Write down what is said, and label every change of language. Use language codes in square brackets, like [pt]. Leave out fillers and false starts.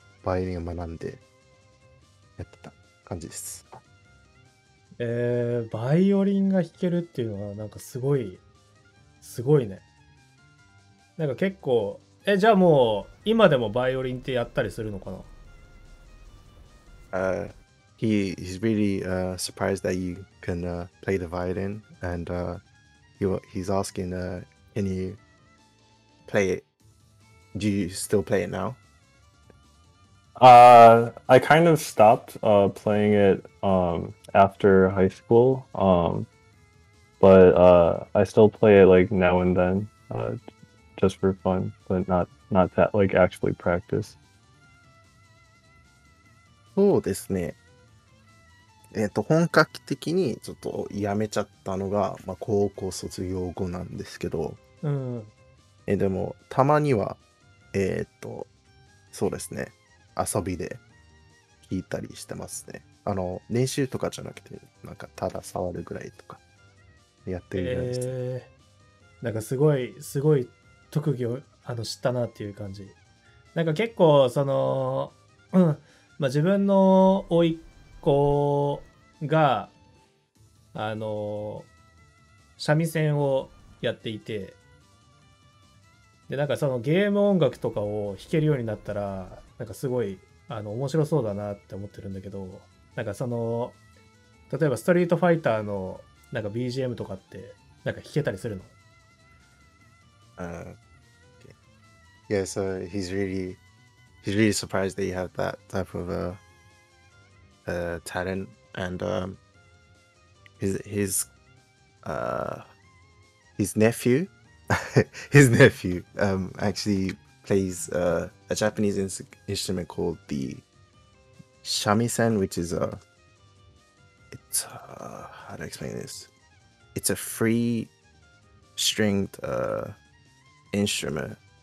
[ja] バイオリンを学んでやってた感じです。バイオリンが弾けるっていうのはなんかすごいすごいね。なんか結構、え、じゃあもう今でもバイオリンってやったりするのかな？ [en] He is really surprised that you can play the violin, and he's asking Can you play it? Do you still play it now? I kind of stopped playing it after high school. But I still play it like now and then, just for fun, but not that like actually practice. [ja] そうですね。本格的にちょっとやめちゃったのが、まあ、高校卒業後なんですけど、うん、でもたまにはそうですね、遊びで弾いたりしてますね。あの練習とかじゃなくて、なんかただ触るぐらいとかやってるぐらいです。なんかすごいすごい特技を知ったなっていう感じ。なんか結構その、うん、まあ、自分の甥っ子が三味線をやっていて、でなんかそのゲーム音楽とかを弾けるようになったらなんかすごい面白そうだなって思ってるんだけど、なんかその例えばストリートファイターのなんか BGM とかってなんか弾けたりするの？ [en] Yeah, so he's really surprised that you have that type of a talent, and his nephew actually plays a Japanese instrument called the shamisen, which is how to explain this, it's a free stringed instrument.